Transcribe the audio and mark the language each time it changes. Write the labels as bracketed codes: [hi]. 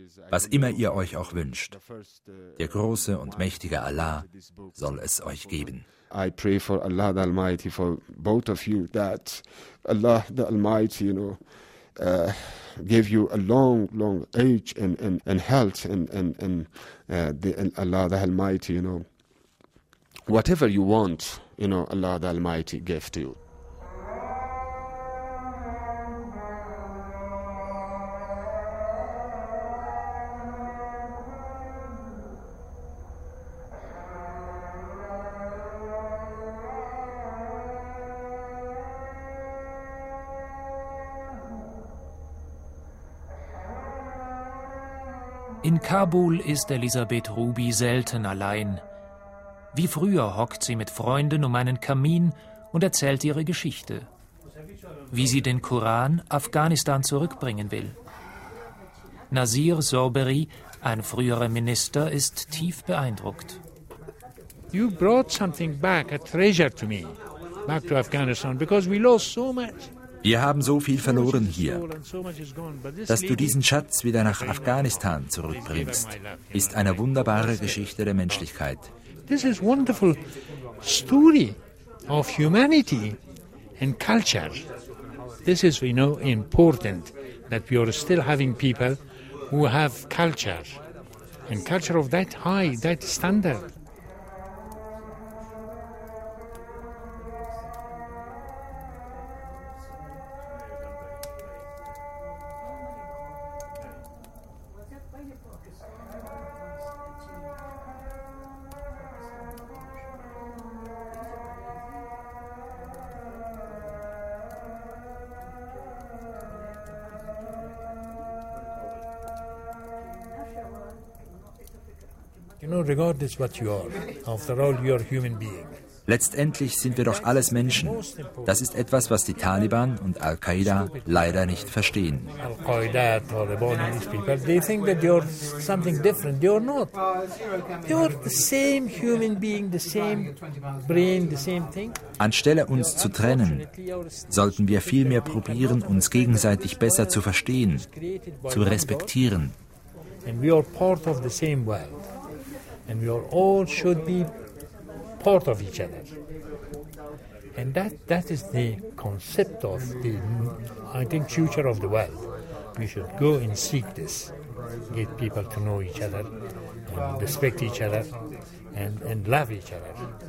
[de] Was immer ihr euch auch wünscht, der große und mächtige Allah soll es euch geben. [en] I pray for Allah the Almighty, for both of you, that Allah the Almighty, you know, give you a long, long age and health and Allah the Almighty, you know, whatever you want, you know, Allah the Almighty gave to you. [de] In Kabul ist Elisabeth Ruby selten allein. Wie früher hockt sie mit Freunden um einen Kamin und erzählt ihre Geschichte, wie sie den Koran Afghanistan zurückbringen will. Nazir Zorberi, ein früherer Minister, ist tief beeindruckt. [en] You brought something back, a treasure to me, back to Afghanistan, because we lost so much. [de] Wir haben so viel verloren hier. Dass du diesen Schatz wieder nach Afghanistan zurückbringst, ist eine wunderbare Geschichte der Menschlichkeit. [en] This is a wonderful story of humanity and culture. This is, you know, important that we are still having people who have culture and culture of that high, that standard. You know, regard this what you are. After all, you are a human being. [de] Letztendlich sind wir doch alles Menschen. Das ist etwas, was die Taliban und Al-Qaida leider nicht verstehen. [en] Al-Qaida, Taliban, these people, they think that they are something different. They are not. They are the same human being, the same brain, the same thing. [de] Anstelle uns zu trennen, sollten wir vielmehr probieren, uns gegenseitig besser zu verstehen, zu respektieren. [en] And we are part of the same world. And we are all should be part of each other. And that is the concept of the, I think, future of the world. We should go and seek this, get people to know each other, and respect each other, and love each other.